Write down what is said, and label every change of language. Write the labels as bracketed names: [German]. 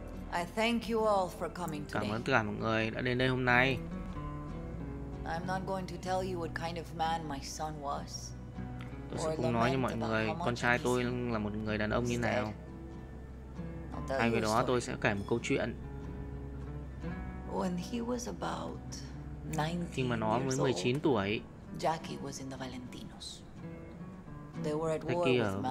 [English] I thank you all for coming today. [Vietnamese] Cảm ơn tất cả mọi người đã đến đây hôm nay. [English] I'm not going to tell you what kind of man my son was. [Vietnamese] Tôi sẽ không nói cho mọi người con trai tôi là một người đàn ông như nào. Thay vì đó tôi sẽ kể một câu chuyện. [English] When he was about 19 [Vietnamese] khi mà nó mới 19 tuổi. [English] Jackie was in the Valentinos. They were at war with Maelstrom